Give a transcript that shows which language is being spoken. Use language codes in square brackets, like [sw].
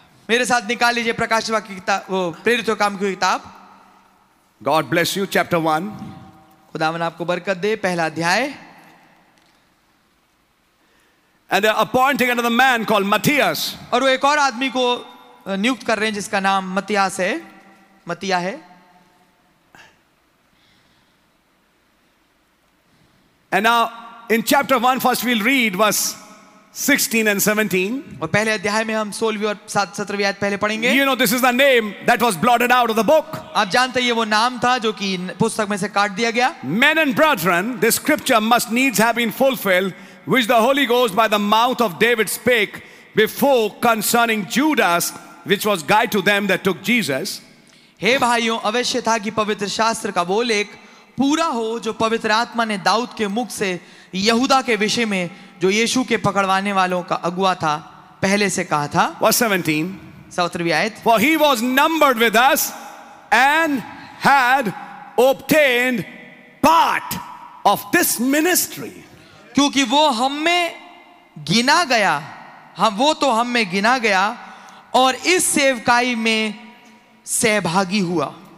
[hi] मेरे साथ निकाल लीजिए प्रकाश की किताब, वो प्रेरित काम की किताब. [en] God bless you, chapter 1. [hi] खुदावन आपको बरकत दे, पहला अध्याय. [en] And they're appointing another man called Matthias. [hi] और वो एक और आदमी को नियुक्त कर रहे हैं जिसका नाम मतियास है, मतिया है. [en] And now in chapter 1 first we will read verse 16 and 17. [hi] और पहले अध्याय में हम 16वीं और 17वीं आयत पहले पढ़ेंगे. [en] You know this is the name that was blotted out of the book. [hi] आप जानते हैं ये वो नाम था जो कि पुस्तक में से काट दिया गया. [en] Men and brethren this scripture must needs have been fulfilled which the Holy Ghost by the mouth of David spake before concerning Judas which was guide to them that took Jesus. [hi] हे भाइयों, अवश्य था कि पवित्र शास्त्र का वो लेख पूरा हो जो पवित्र आत्मा ने दाऊद के मुख से यहूदा के विषय में जो यीशु के पकड़वाने वालों का अगुआ था पहले से कहा था. [en] Verse 17. [hi] सौत्रवी आयत. [en] For he was numbered with us and had obtained part of this ministry. [hi] क्योंकि वो हम में गिना गया, हम वो तो हम में गिना गया और इस सेवकाई में सहभागी हुआ.